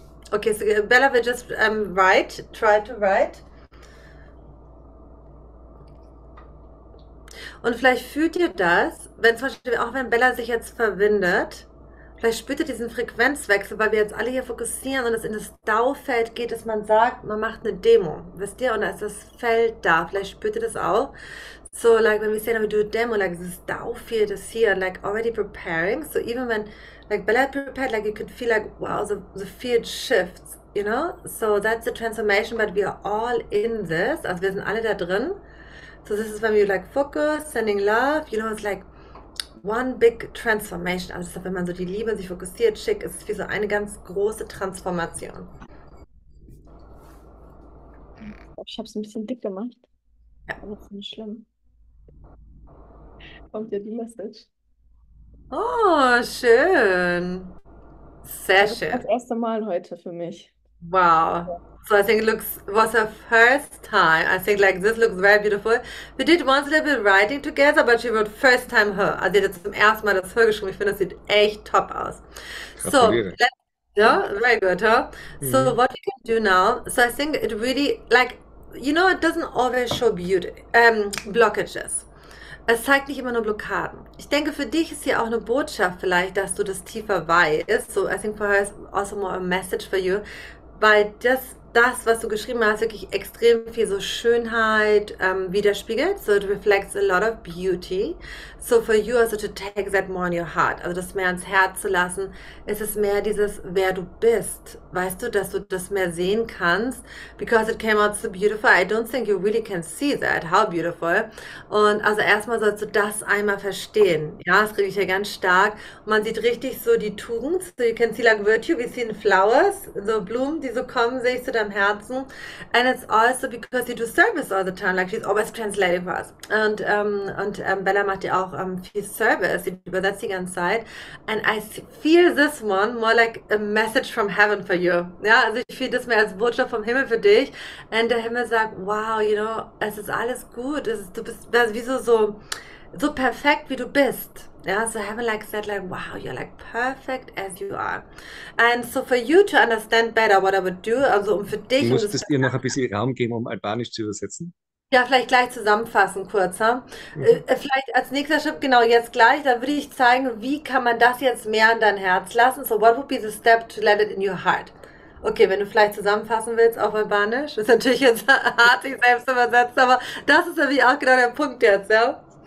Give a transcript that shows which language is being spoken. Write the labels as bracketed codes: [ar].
[en] Okay, so Bella will just try to write. [de] Und vielleicht fühlt ihr das, wenn zum Beispiel auch wenn Bella sich jetzt verwindet, vielleicht spürt ihr diesen Frequenzwechsel, weil wir jetzt alle hier fokussieren und es in das Dau-Feld geht, dass man sagt, man macht eine Demo. Wisst ihr? Und da ist das Feld da. Vielleicht spürt ihr das auch. [en] So, like when we say, we do a demo, like this Dau-Feld is here, like already preparing. So, even when like Bella prepared, like you could feel like, wow, the field shifts, you know? So, that's the transformation, but we are all in this. [de] Also, wir sind alle da drin. [en] So, this is when we like focus, sending love, you know, it's like, one big transformation. [de] Also, wenn man so die Liebe sich fokussiert, schick, ist es wie so eine ganz große Transformation. Ich habe es ein bisschen dick gemacht, aber es ist nicht schlimm. Kommt ja die Message. Oh, schön. Sehr Also das schön. erste Mal heute für mich. [en] Wow. So, I think it looks was a first time. I think like this looks very beautiful. We did once a little bit writing together, but she wrote first time her. [de] Also, sie hat zum ersten Mal das her geschrieben. Ich finde, das sieht echt top aus. So, Gratuliere. [en] yeah, very good, huh? So, Mhm. what we can do now? So, I think it really, like, you know, it doesn't always show beauty, blockages. [de] Es zeigt nicht immer nur Blockaden. Ich denke, für dich ist hier auch eine Botschaft vielleicht, dass du das tiefer weißt. [en] So, I think for her is also more a message for you, [de] weil das, was du geschrieben hast, wirklich extrem viel so Schönheit widerspiegelt. [en] So, it reflects a lot of beauty. So, for you also to take that more in your heart, [de] also das mehr ans Herz zu lassen, ist es mehr dieses, wer du bist. Weißt du, dass du das mehr sehen kannst? [en] Because it came out so beautiful, I don't think you really can see that, how beautiful. [de] Und also erstmal sollst du das einmal verstehen. Ja, das kriege ich ja ganz stark. Und man sieht richtig so die Tugend. [en] So, you can see like virtue, we see in flowers, so [de] Blumen, die so kommen, sehe ich so deinem Herzen. [en] And it's also because you do service all the time, like she's always translating for us. [de] Und Bella macht ja auch viel Service, sie übersetzt die ganze Zeit. [en] And I feel this one more like a message from heaven for you. [de] Ja, also ich fühle das mehr als Botschaft vom Himmel für dich. And der Himmel sagt, wow, you know, es ist alles gut. Du bist also wie so perfekt, wie du bist. [en] Ja, so heaven like said, like, wow, you're like perfect as you are. And so for you to understand better what I would do, [de] also um für dich, um das Musstest ihr noch ein bisschen Raum geben, um Albanisch zu übersetzen? ja, vielleicht gleich zusammenfassen, kurzer. Mhm. Vielleicht als nächster Schritt, genau jetzt gleich, da würde ich zeigen, wie kann man das jetzt mehr in dein Herz lassen. [en] So, what would be the step to let it in your heart? [de] Okay, wenn du vielleicht zusammenfassen willst auf Albanisch, ist natürlich jetzt hart, sich selbst übersetzt, aber das ist natürlich auch genau der Punkt jetzt, ja.